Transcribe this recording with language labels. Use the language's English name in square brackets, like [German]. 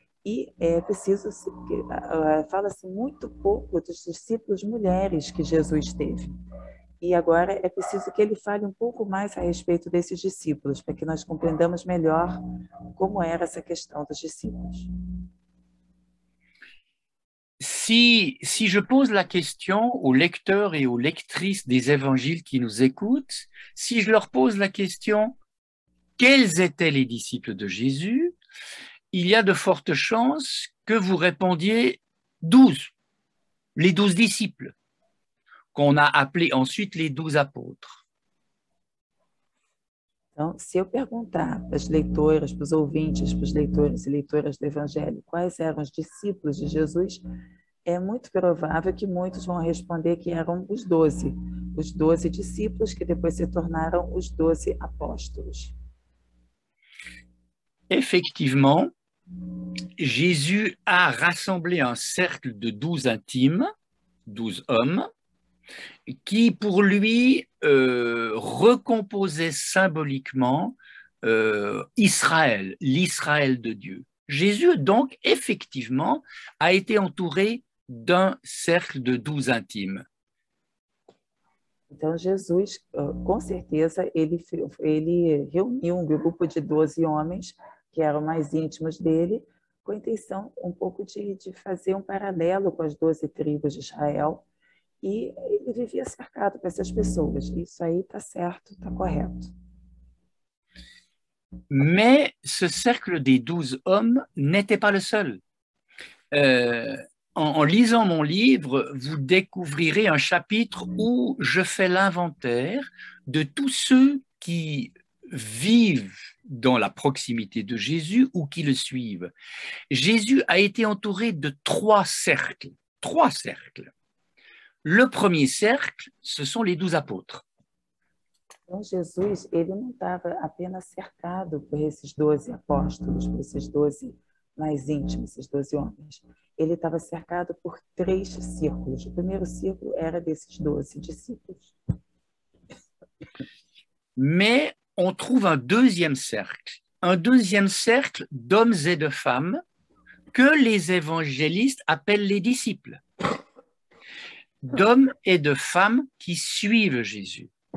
[Portuguese] E é preciso, fala-se muito pouco dos discípulos mulheres que Jesus teve. E agora é preciso que ele fale um pouco mais a respeito desses discípulos, para que nós compreendamos melhor como era essa questão dos discípulos. [French] Si je pose la question aux lecteurs et aux lectrices des évangiles qui nous écoutent, si je leur pose la question, quels étaient les disciples de Jésus? Il y a de fortes chances que vous répondiez 12, les 12 disciples, qu'on a appelés ensuite les 12 apôtres. [Portuguese] Então, se eu perguntar para as leitoras, para os ouvintes, para os leitores e leitoras do Evangelho, quais eram os discípulos de Jesus, é muito provável que muitos vão responder que eram os doze discípulos que depois se tornaram os 12 apóstolos. [French] Effectivement, Jésus a rassemblé un cercle de 12 intimes, 12 hommes, qui pour lui recomposaient symboliquement Israël, l'Israël de Dieu. Jésus donc, effectivement, a été entouré d'un cercle de 12 intimes. [Portuguese] Então, Jesus, com certeza, ele reuniu um grupo de 12 homens que eram mais íntimos dele, com a intenção um pouco de fazer um paralelo com as 12 tribos de Israel. E ele vivia cercado com essas pessoas. Isso aí está certo, está correto. Mas esse [French] cercle de 12 [Portuguese] homens [French] n'était pas le seul. En lisant mon livre, vous découvrirez un chapitre où je fais l'inventaire de tous ceux qui vivent dans la proximité de Jésus ou qui le suivent. Jésus a été entouré de trois cercles. Trois cercles. Le premier cercle, ce sont les 12 apôtres. [Portuguese] Então, Jésus, [French] il n'était [Portuguese] apenas cercado por esses 12 apóstolos, por esses 12 mais íntimos, esses 12 homens. Ele estava cercado por três círculos. O primeiro círculo era desses 12 discípulos. [French] Mais on trouve un deuxième cercle d'hommes et de femmes que les évangélistes appellent les disciples, d'hommes et de femmes qui suivent Jésus.